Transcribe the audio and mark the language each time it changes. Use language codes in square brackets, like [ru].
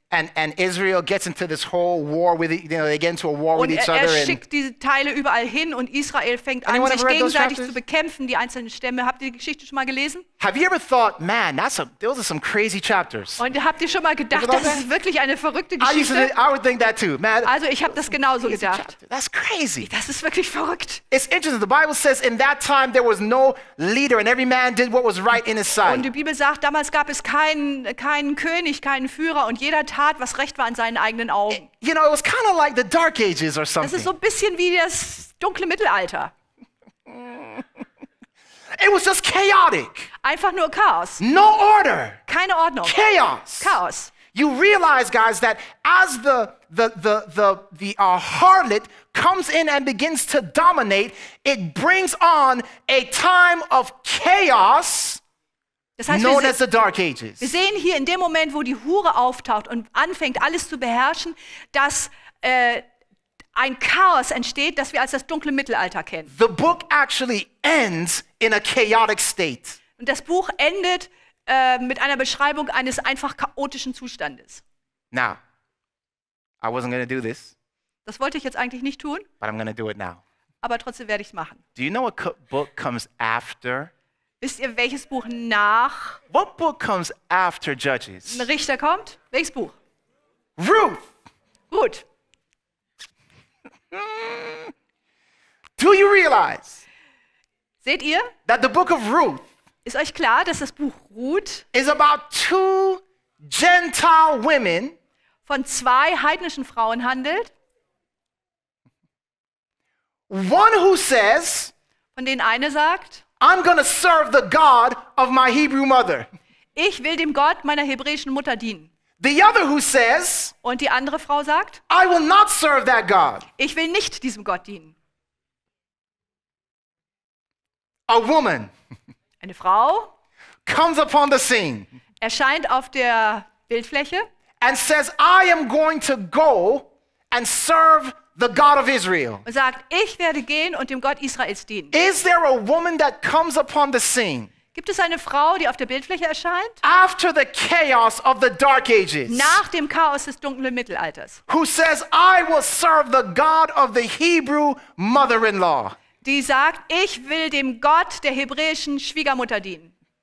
[en] And Israel gets into this whole war with, you know, they get into a war [de] und [en] with each other. [de] Und er schickt diese Teile überall hin und Israel fängt an, sich gegenseitig zu bekämpfen, die einzelnen Stämme. Habt ihr die Geschichte schon mal gelesen? [en] Have you ever thought, man, those are some crazy chapters. [de] Und habt ihr schon mal gedacht, das ist wirklich eine verrückte Geschichte? [en] I would think that too, man. [de] Also ich habe das genauso gedacht. [en] Chapter. That's crazy. [de] Das ist wirklich verrückt. [en] It's interesting. The Bible says, in that time there was no leader and every man did what was right in his sight. [de] Und die Bibel sagt, damals gab es keinen König, keinen Führer und jeder tat was recht war in seinen eigenen Augen. [en] You know, it was kind of like the Dark Ages or something. [de] Das ist so ein bisschen wie das dunkle Mittelalter. [en] It was just chaotic. [de] Einfach nur Chaos. [en] No order. [de] Keine Ordnung. [en] Chaos. [de] Chaos. [en] You realize, guys, that as the harlot comes in and begins to dominate, it brings on a time of chaos. [de] Das heißt, [en] known as the Dark Ages. [de] Wir sehen hier in dem Moment, wo die Hure auftaucht und anfängt, alles zu beherrschen, dass ein Chaos entsteht, das wir als das dunkle Mittelalter kennen. [en] The book actually ends in a chaotic state. [de] Und das Buch endet mit einer Beschreibung eines einfach chaotischen Zustandes. [en] Now, I wasn't gonna do this. [de] Das wollte ich jetzt eigentlich nicht tun. [en] But I'm going to do it now. [de] Aber trotzdem werde ich es machen. [en] Do you know what book comes after? [de] Wisst ihr, welches Buch nach? [en] What book comes after Judges? [de] Ein Richter kommt. Welches Buch? [en] Ruth. [de] Ruth. [en] Do you realize? [de] Seht ihr? [en] That the book of Ruth. [de] Ist euch klar, dass das Buch Ruth [en] is about two Gentile women [de] von zwei heidnischen Frauen handelt. [en] One who says, [de] von denen eine sagt, [en] I'm going to serve the God of my Hebrew mother. [de] Ich will dem Gott meiner hebräischen Mutter dienen. [en] The other who says, [de] und die andere Frau sagt, [en] I will not serve that God. [de] Ich will nicht diesem Gott dienen. [en] A woman. [de] Eine Frau [en] comes upon the scene. [de] Erscheint auf der Bildfläche [en] and says, I am going to go and serve the God of Israel. [de] Und sagt, ich werde gehen und dem Gott Israels dienen. [en] Is there a woman that comes upon the scene? [de] Gibt es eine Frau, die auf der Bildfläche erscheint? [en] After the chaos of the dark ages. [de] Nach dem Chaos des dunklen Mittelalters. [en] Who says, I will serve the God of the Hebrew mother-in-law. [de] Die sagt, ich will dem Gott der hebräischen Schwiegermutter dienen.